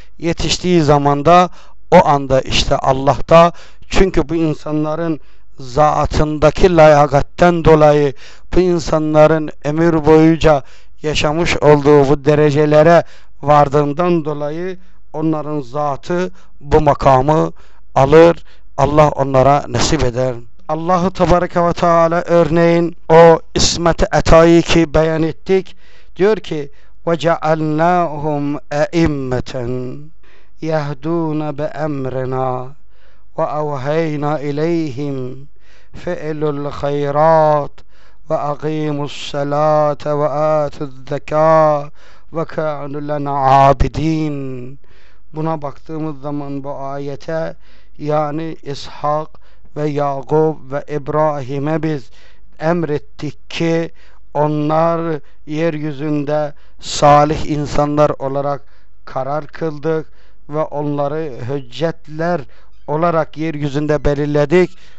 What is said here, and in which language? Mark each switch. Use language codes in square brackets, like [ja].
[tr] Yetiştiği zaman da o anda işte Allah'ta, çünkü bu insanların zatındaki layakatten dolayı, bu insanların ömür boyunca yaşamış olduğu bu derecelere vardığından dolayı onların zatı bu makamı alır, Allah onlara nasip eder. Allah-u Tebareke ve Teala örneğin o ismet-i etayı ki beyan ettik, diyor ki [ar] وَجَعَلْنَاهُمْ اَئِمَّةً يَهْدُونَ بِأَمْرِنَا وَأَوْهَيْنَا اِلَيْهِمْ فِعْلُ الْخَيْرَاتِ وَأَقِيمُ الصَّلَاةَ وَآتُ الزَّكَاةَ وَكَانُوا لَنَا عَابِدِينَ. [tr] Buna baktığımız zaman bu ayete, yani İshak ve Yakub ve İbrahim'e biz emrettik ki onlar yeryüzünde salih insanlar olarak karar kıldık ve onları hüccetler olarak yeryüzünde belirledik.